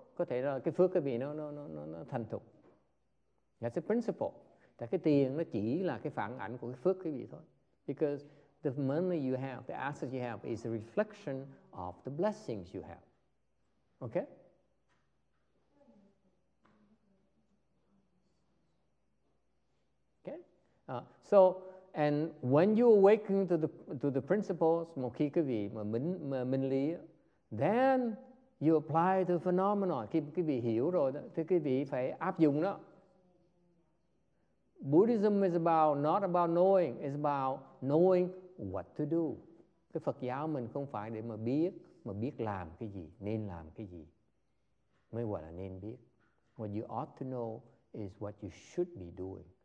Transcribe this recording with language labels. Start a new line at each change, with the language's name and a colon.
Vietnamese: Có thể là cái phước cái vị nó thành thục.
English: That's the principle.
Vietnamese: Tại cái tiền nó chỉ là cái phản ảnh của cái phước cái vị thôi.
English: Because the money you have, the assets you have, is a reflection of the blessings you have. Okay? Okay? So, and when you awaken to the principles,
Vietnamese: một khi quý vị mà minh lý,
English: then you apply the phenomena.
Vietnamese: Khi quý vị hiểu rồi, thì quý vị phải áp dụng đó.
English: Buddhism is about not about knowing, it's about knowing what to do.
Vietnamese: Cái Phật giáo mình không phải để mà biết làm cái gì, nên làm cái gì, mới gọi là nên biết.
English: What you ought to know is what you should be doing.